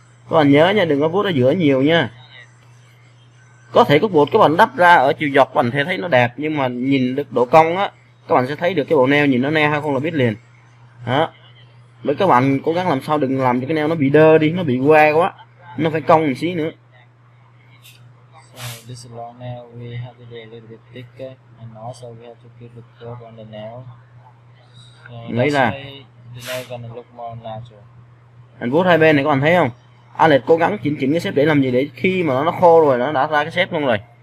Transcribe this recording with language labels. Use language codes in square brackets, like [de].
[vi] Các bạn nhớ nha, đừng có vuốt ở giữa nhiều nha. Có thể cái bột các bạn đắp ra ở chiều dọc các bạn thấy nó đẹp, nhưng mà nhìn được độ cong á, các bạn sẽ thấy được cái bộ neo nhìn nó neo hay không là biết liền. Đó. Với các bạn cố gắng làm sao đừng làm cho cái neo nó bị đơ đi, nó bị que quá. Nó phải cong một xí nữa. [en] This is long nail, we have to be a little bit thicker and also we have to keep the curve on the nail. [vi] So lấy ra. [en] The nail is gonna look more natural. [vi] Anh vuốt hai bên này các bạn thấy không? Anh lại cố gắng chỉnh cái shape để làm gì, để khi mà nó khô rồi nó đã ra cái shape luôn rồi.